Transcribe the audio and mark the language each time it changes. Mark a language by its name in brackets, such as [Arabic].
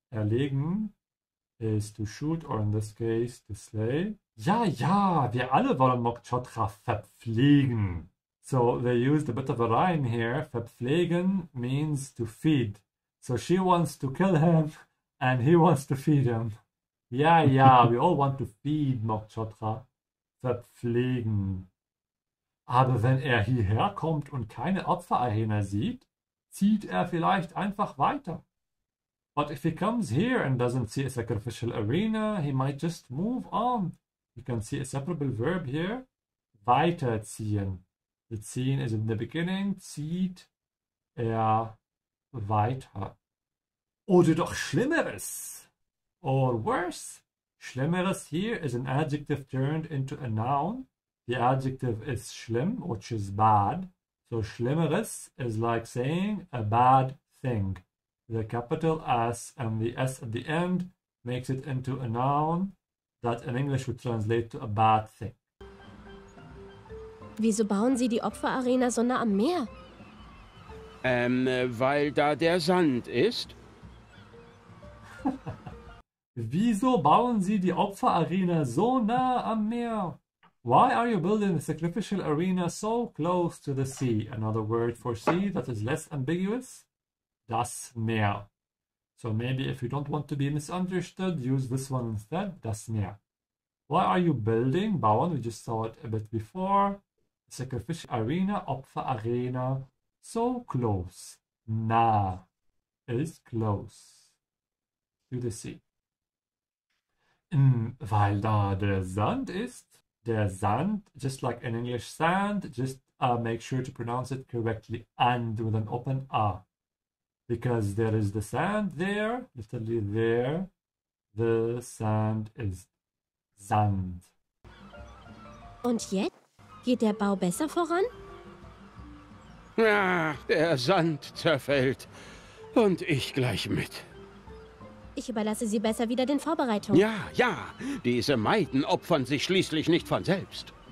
[English] Erlegen is to shoot, or in this case, to slay. [German] Ja, ja, wir alle wollen Mok Chotra verpflegen. [English] So they used a bit of a rhyme here. Verpflegen means to feed. So she wants to kill him, and he wants to feed him. Ja, ja, we all want to feed Mok Chotra. Verpflegen. [German] Aber wenn hierher kommt und keine Opferarena sieht, zieht vielleicht einfach weiter. [English] But if he comes here and doesn't see a sacrificial arena, he might just move on. You can see a separable verb here. Weiterziehen. The ziehen is in the beginning. Zieht weiter. [German] Oder doch Schlimmeres. [English] Or worse. Schlimmeres here is an adjective turned into a noun. The adjective is schlimm, which is bad. So Schlimmeres is like saying a bad thing. The capital S and the S at the end makes it into a noun that in English would translate to a bad thing. [German] Wieso bauen Sie die Opferarena so nah am Meer? Weil da der Sand ist. Wieso bauen Sie die Opferarena so nah am Meer? [English] Why are you building the sacrificial arena so close to the sea? Another word for sea that is less ambiguous? Das Meer. So maybe if you don't want to be misunderstood, use this one instead, das Meer. Why are you building, bauen, we just saw it a bit before, sacrificial arena, Opfer Arena, so close, nah, is close to the sea. [German] Weil da der Sand ist, [English] der Sand, just like in English sand, just make sure to pronounce it correctly, and with an open A. Because there is the sand there, literally there, the sand is sand. [German] Und jetzt? Geht der Bau besser voran? Ach, der Sand zerfällt und ich gleich mit. Ich überlasse Sie besser wieder den Vorbereitungen. Ja, ja, diese Maiden opfern sich schließlich nicht von selbst.